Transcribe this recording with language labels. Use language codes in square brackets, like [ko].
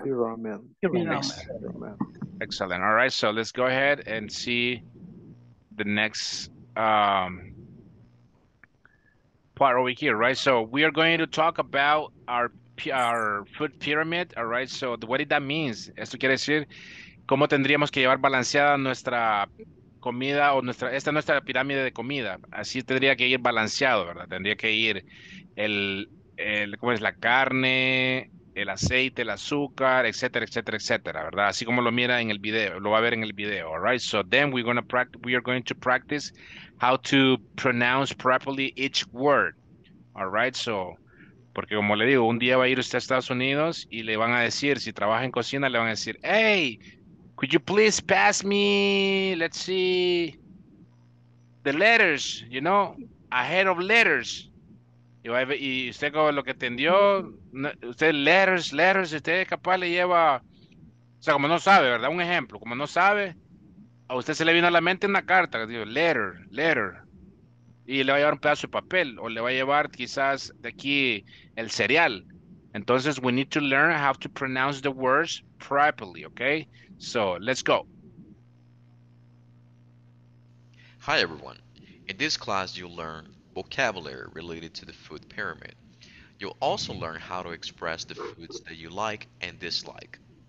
[en] Pyramid. Excellent. All right, so let's go ahead and see the next part over here, right? So we are going to talk about our food pyramid, all right? So what did that mean? [es] Esto quiere decir, ¿cómo tendríamos que llevar balanceada nuestra comida o nuestra, esta es nuestra pirámide de comida? Así tendría que ir balanceado, ¿verdad? Tendría que ir el ¿cómo es? La carne, el aceite, el azúcar, etcétera, etcétera, etcétera, ¿verdad? Así como lo mira en el video, lo va a ver en el video, [en] all right? So then we are going to practice how to pronounce properly each word, all right? [es] So, porque como le digo, un día va a ir usted a Estados Unidos y le van a decir, si trabaja en cocina, le van a decir, [en] hey, could you please pass me, let's see, the letters, you know, ahead of letters. [es] Y usted con lo que entendió, usted letters, letters, usted capaz le lleva, o sea, como no sabe, ¿verdad? Un ejemplo, como no sabe, a usted se le vino a la mente una carta, digo, letter, letter. Y le va a llevar un pedazo de papel, o le va a llevar quizás de aquí el cereal. [en] Entonces, we need to learn how to pronounce the words properly, okay? So, let's go. Hi, everyone. In this class, you'll learn vocabulary related to the food pyramid. You'll also learn how to express the foods that you like and dislike.